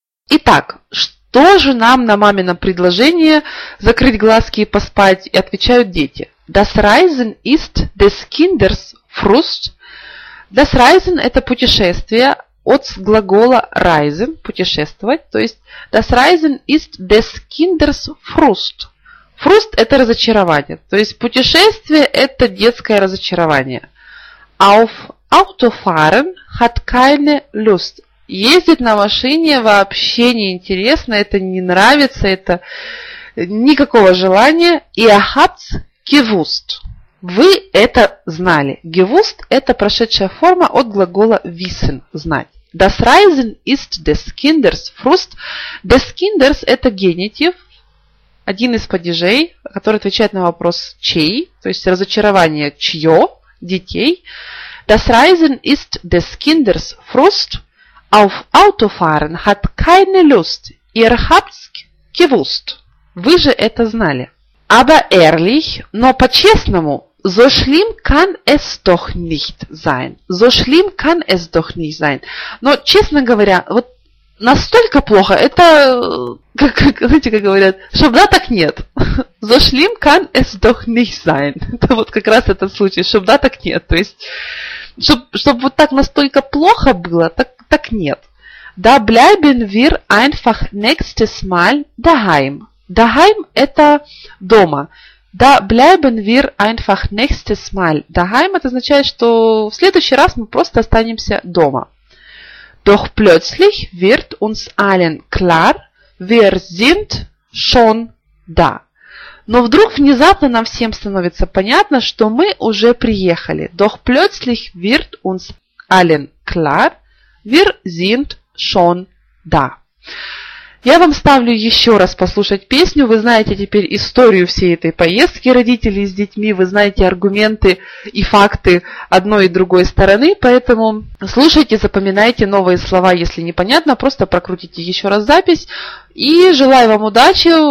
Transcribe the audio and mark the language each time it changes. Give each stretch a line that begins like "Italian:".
Russian: Итак, что же нам на мамином предложение закрыть глазки и поспать, и отвечают дети?
German: Das Reisen ist des Kinders Frust.
Russian: Das Reisen – это путешествие от глагола reisen – путешествовать. То есть,
German: das Reisen ist des Kinders Frust.
Russian: Frust – это разочарование. То есть, путешествие – это детское разочарование.
German: Auf Autofahren hat keine Lust.
Russian: Ездить на машине вообще не интересно, это не нравится, это никакого желания.
German: Ihr habt's gewusst.
Russian: Вы это знали. Gewusst – это прошедшая форма от глагола wissen – знать.
German: Das Reisen ist des Kinders Frust.
Russian: Des Kinders – это генитив, один из падежей, который отвечает на вопрос чей, то есть разочарование чье детей.
German: Das Reisen ist des Kinders Frust. Auf Autofahren hat keine Lust. Ihr habt's gewusst.
Russian: Вы же это знали.
German: Aber ehrlich,
Russian: но по-честному,
German: so schlimm kann es doch nicht sein. So schlimm kann es doch nicht sein.
Russian: Но, честно говоря, вот настолько плохо, это, как, знаете, как говорят, чтоб да, так нет.
German: So schlimm kann es doch nicht sein.
Russian: Это вот как раз этот случай, чтоб да, так нет. То есть, чтоб вот так настолько плохо было, так нет.
German: Da bleiben wir einfach nächstes Mal daheim. Daheim –
Russian: это дома.
German: Da bleiben wir einfach nächstes Mal daheim.
Russian: Это означает, что в следующий раз мы просто останемся дома.
German: Doch plötzlich wird uns allen klar, wir sind schon da.
Russian: Но вдруг внезапно нам всем становится понятно, что мы уже приехали.
German: Doch plötzlich wird uns allen klar, wir sind schon da.
Russian: Я вам ставлю еще раз послушать песню. Вы знаете теперь историю всей этой поездки родителей с детьми. Вы знаете аргументы и факты одной и другой стороны. Поэтому слушайте, запоминайте новые слова, если непонятно. Просто прокрутите еще раз запись. И желаю вам удачи.